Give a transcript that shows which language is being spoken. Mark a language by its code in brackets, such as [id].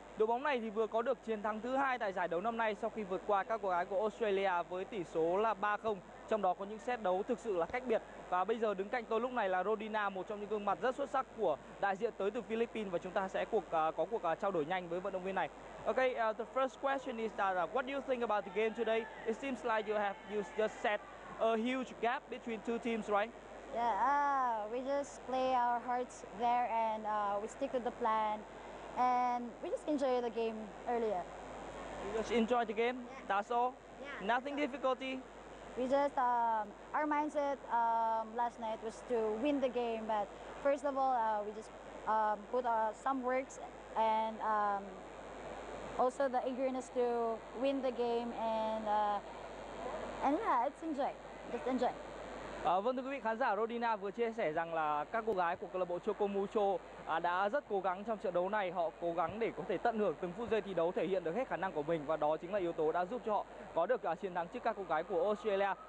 [vi] Đội bóng này thì vừa có được chiến thắng thứ hai tại giải đấu năm nay sau khi vượt qua các cô gái của Australia với tỷ số là 3-0, trong đó có những set đấu thực sự là cách biệt. Và bây giờ đứng cạnh tôi lúc này là Rodina, một trong những gương mặt rất xuất sắc của đại diện tới từ Philippines, và chúng ta sẽ có cuộc trao đổi nhanh với vận động viên này. [en] Okay, the first question is that what do you think about the game today? It seems like you just set a huge gap between two teams, right? Yeah, we just play our hearts there and we stick to the plan. And we just enjoyed the game earlier. You just enjoyed the game? Yeah. That's all? Yeah. Nothing difficulty? We just, our mindset last night was to win the game. But first of all, we just put some works and also the eagerness to win the game. And yeah, it's enjoy. Just enjoy. [vi] Vâng, thưa quý vị khán giả, Rodina vừa chia sẻ rằng là các cô gái của câu lạc bộ Choco Mucho đã rất cố gắng trong trận đấu này. Họ cố gắng để có thể tận hưởng từng phút giây thi đấu, thể hiện được hết khả năng của mình, và đó chính là yếu tố đã giúp cho họ có được chiến thắng trước các cô gái của Australia.